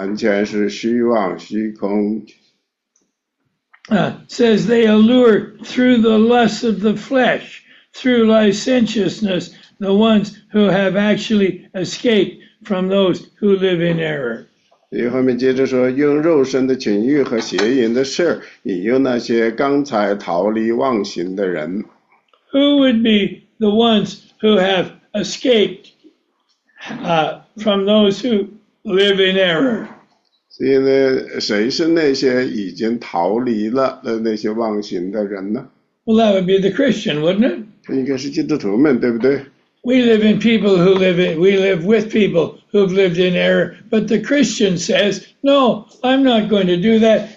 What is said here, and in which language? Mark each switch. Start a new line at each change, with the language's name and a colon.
Chinese: 这个里面所能明说呢，他想要富有，他想要有名，他想要建造，他想要成为科学家。但是呢，他所有的那些呢，最终呢，他都得到了以后呢，他发现呢，完全是虚妄虚空。
English: Says they allure through the lusts of the flesh, through licentiousness, the ones who have actually escaped from those who live in error.
Chinese: 后面接着说，用肉身的情欲和邪淫的事，引诱那些刚才逃离妄行的人。
English: Who would be the ones who have escaped from those who live in error?
Chinese: 所以呢，谁是那些已经逃离了的那些妄行的人呢？
English: Well, that would be the Christian, wouldn't it?
Chinese: 应该是基督徒们，对不对？
English: We live in people who live in, we live with people who've lived in error. But the Christian says, no, I'm not going to do that.